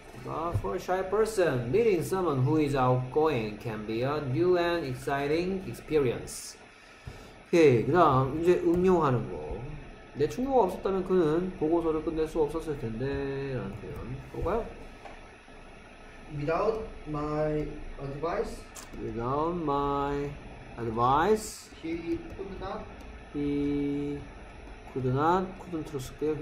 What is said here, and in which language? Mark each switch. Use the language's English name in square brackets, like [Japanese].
[English] But for a shy person, meeting someone who is outgoing can be a new and exciting experience. [Korean] Okay, 그 다음 이제 응용하는 거. 내 친구가 없었다면 그는 보고서를 끝낼 수 없었을 텐데 라는 표현 볼까요? [English] Without my advice, without my advice, he could not, couldn't [Korean] 로 쓸게요.